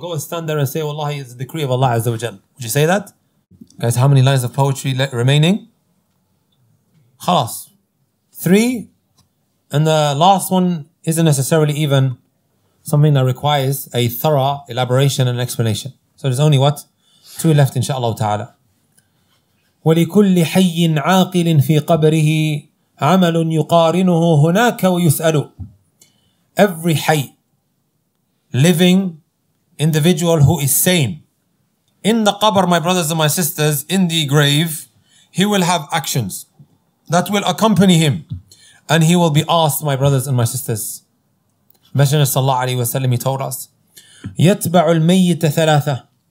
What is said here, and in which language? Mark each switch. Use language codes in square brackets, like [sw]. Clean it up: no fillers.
[en] Go and stand there and say, Wallahi, it's the decree of Allah Azza wa Jal. Would you say that? Guys, how many lines of poetry remaining? Khalas. Three. And the last one isn't necessarily even something that requires a thorough elaboration and explanation. So there's only what? Two left, inshaAllah ta'ala. [ar] وَلِكُلِّ حَيٍّ عَاقِلٍ فِي قَبْرِهِ عَمَلٌ يُقَارِنُهُ هُنَاكَ وَيُسْأَلُ. [en] Every hay, living individual who is sane. In the qabr, my brothers and my sisters, in the grave, he will have actions that will accompany him. And he will be asked, my brothers and my sisters. Messenger sallallahu alayhi wa sallam, he told us, [ar] يَتْبَعُ الْمَيِّتَ ثَلَاثَةً.